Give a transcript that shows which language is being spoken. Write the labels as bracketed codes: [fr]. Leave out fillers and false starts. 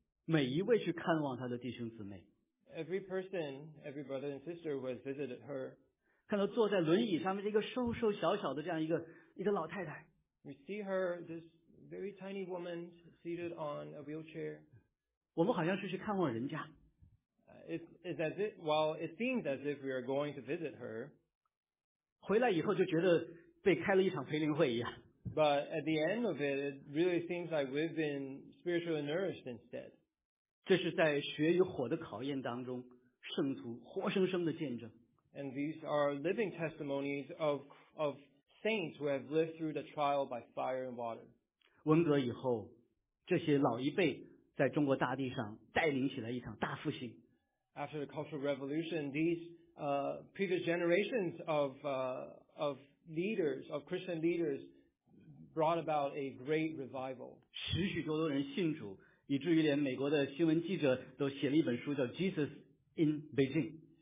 [zh] 每一位去看望她的弟兄姊妹。 [en] Every person, every brother and sister who has visited her. [zh] 看到坐在轮椅上面这个瘦瘦小小的这样一个老太太。 [en] We see her, this very tiny woman seated on a wheelchair. [zh] 我们好像是去看望人家。 [en] It seems as if we are going to visit her. [zh] 回来以后就觉得被开了一场培灵会一样。 [en] But at the end of it, it really seems like we've been spiritually nourished instead. [zh] 这是在血与火的考验当中，圣徒活生生的见证。 [en] And these are living testimonies of saints who have lived through the trial by fire and water. [zh] 文革以后，这些老一辈在中国大地上带领起来一场大复兴。 [en] After the Cultural Revolution, these previous generations of leaders, of Christian leaders, brought about a great revival. [zh] 许许多多人信主，以至于连美国的新闻记者都写了一本书叫《Jesus in Beijing》。